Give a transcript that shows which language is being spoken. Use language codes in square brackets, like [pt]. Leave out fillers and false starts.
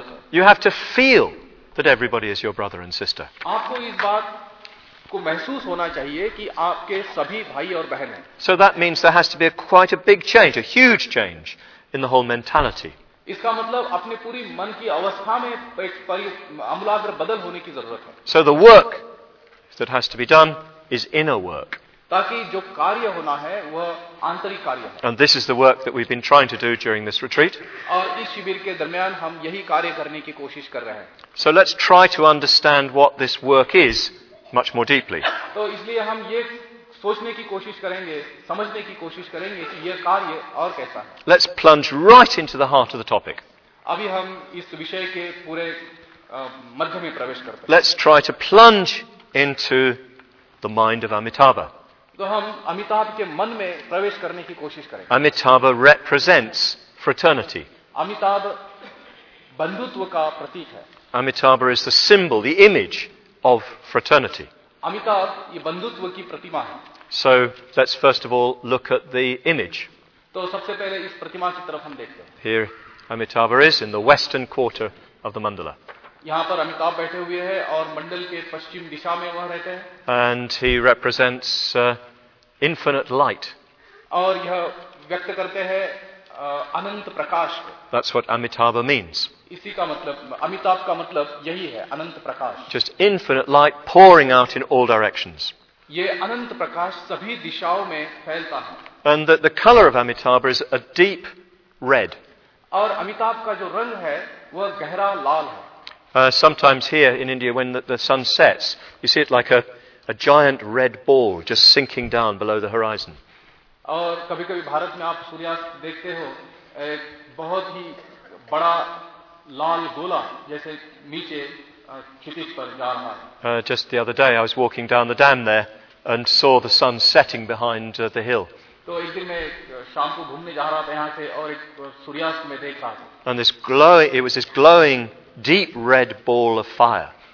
[en] You have to feel that everybody is your brother and sister. So that means there has to be quite a big change, a huge change in the whole mentality. So the work that has to be done is inner work. [hi] ताकि जो कार्य होना है वह आंतरिक कार्य है. [en] And this is the work that we've been trying to do during this retreat. [hi] और इस शिविर के दरमियान हम यही कार्य करने की कोशिश कर रहे हैं. [en] So let's try to understand what this work is much more deeply. [hi] तो इसलिए हम ये सोचने की कोशिश करेंगे, समझने की कोशिश करेंगे कि यह कार्य और कैसा है. [en] Let's plunge right into the heart of the topic. [hi] अभी हम इस विषय के पूरे मध्य में प्रवेश करते हैं. [en] Let's try to plunge into the mind of Amitabha. [hi] तो हम अमिताभ के मन में प्रवेश करने की कोशिश करेंगे. [en] Amitabha represents fraternity. [hi] अमिताभ बंधुत्व का प्रतीक है. [en] Amitabha is the symbol, the image of fraternity. [hi] Amitabh ये बंधुत्व की प्रतिमा है. [en] So let's first of all look at the image. [hi] तो सबसे पहले इस प्रतिमा की तरफ हम देखते हैं. [en] Here Amitabha is in the western quarter of the mandala. [hi] यहाँ पर अमिताभ बैठे हुए हैं और मंडल के पश्चिम दिशा में वह रहते हैं. [en] And he represents infinite light. [hi] और यह व्यक्त करते हैं अनंत प्रकाश. [en] That's what Amitabha means. [hi] इसी का मतलब, अमिताभ का मतलब यही है, अनंत प्रकाश. [en] Just infinite light pouring out in all directions. [hi] ये अनंत प्रकाश सभी दिशाओं में फैलता है. [en] And the color of Amitabha is a deep red. [hi] और अमिताभ का जो रंग है वह गहरा लाल है. [en] Sometimes here in India, when the sun sets, you see it like a giant red ball just sinking down below the horizon. [hi] और कभी-कभी भारत में आप सूर्यास्त देखते हो, एक बहुत ही बड़ा लाल गोला जैसे नीचे क्षितिज पर जा रहा है. [en] Just the other day, I was walking down the dam there and saw the sun setting behind the hill. [hi] तो एक दिन मैं शाम को घूमने जा रहा था यहाँ से और एक सूर्यास्त में देख रहा था. [en] And this glow, it was this glowing deep red ball of fire.